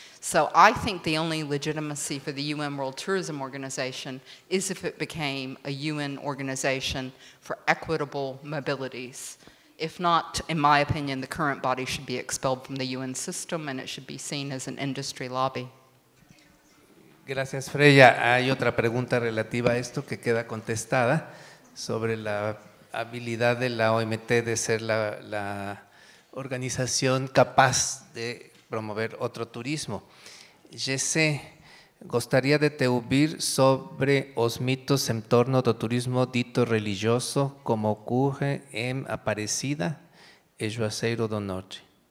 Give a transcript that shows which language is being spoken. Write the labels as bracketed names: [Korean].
[English] So I think the only legitimacy for the UN World Tourism Organization is if it became a UN organization for equitable mobilities. If not, in my opinion, the current body should be expelled from the UN system and it should be seen as an industry lobby. [Spanish] Gracias, Freya. Hay otra pregunta relativa a esto que queda contestada sobre la habilidad de la OMT de ser la organización capaz de promover otro turismo. [Portuguese] Jesse, gostaria de te ouvir sobre os mitos em torno do turismo dito religioso, como ocorre em Aparecida e Juazeiro do Norte.